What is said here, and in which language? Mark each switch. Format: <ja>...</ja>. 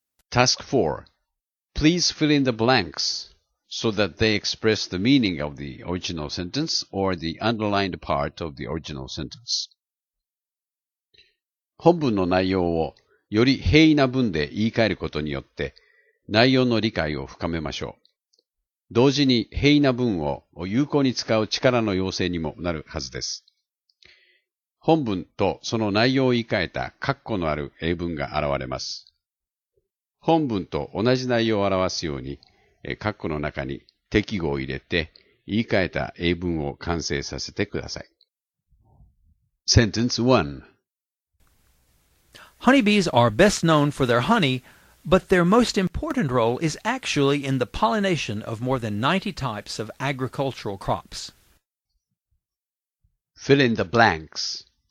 <en>Task 4. Please fill in the blanks so that they express the meaning of the original sentence or the underlined part of the original sentence.</en> <ja>本文の内容をより平易な文で言い換えることによって、内容の理解を深めましょう。同時に平易な文を有効に使う力の養成にもなるはずです。本文とその内容を言い換えた括弧のある英文が現れます。本文と同じ内容を表すように、括弧の中に適語を入れて言い換えた英文を完成させてください。</ja> <en>Sentence 1. Honeybees are best known for their honey, but their most important role is actually in the pollination of more than 90 types of agricultural crops. Fill in the blanks.</en>